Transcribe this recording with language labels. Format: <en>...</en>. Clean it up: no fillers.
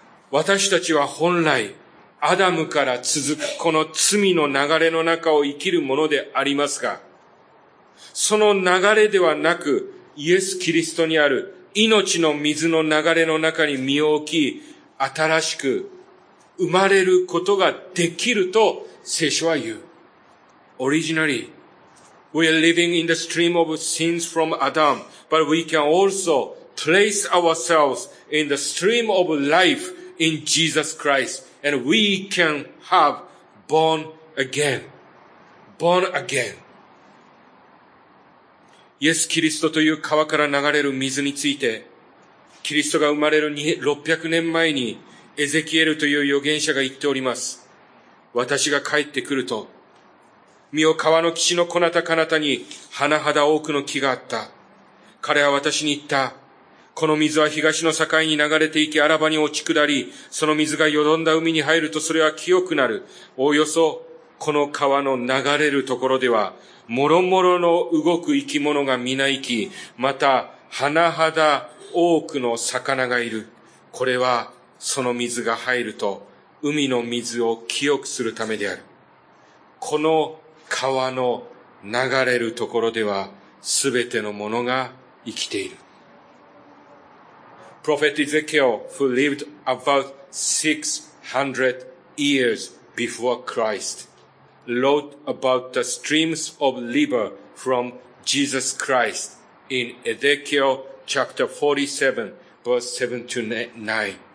<ja>私たちは本来、アダムから続くこの罪の流れの中を生きるものでありますが、その流れではなく、イエス・キリストにある命の水の流れの中に身を置き、新しく、生まれることができると聖書は言う。</ja> <en>Originally, we are living in the stream of sins from Adam, but we can also place ourselves in the stream of life in Jesus Christ, and we can have born again. Born again.</en> <ja>イエス・キリストという川から流れる水について、キリストが生まれる600年前に、エゼキエルという預言者が言っております。私が帰ってくると、身を川の岸のこなたかなたに、花肌多くの木があった。彼は私に言った。この水は東の境に流れていき、アラバに落ち下り、その水が淀んだ海に入るとそれは清くなる。おおよそ、この川の流れるところでは、もろもろの動く生き物が皆生き、また、花肌多くの魚がいる。これは、その水が入ると海の水を清くするためである。この川の流れるところではすべてのものが生きている。</ja> <en>Prophet Ezekiel, who lived about 600 years before Christ, wrote about the streams of river from Jesus Christ in Ezekiel chapter 47, verse 7 to 9.</en>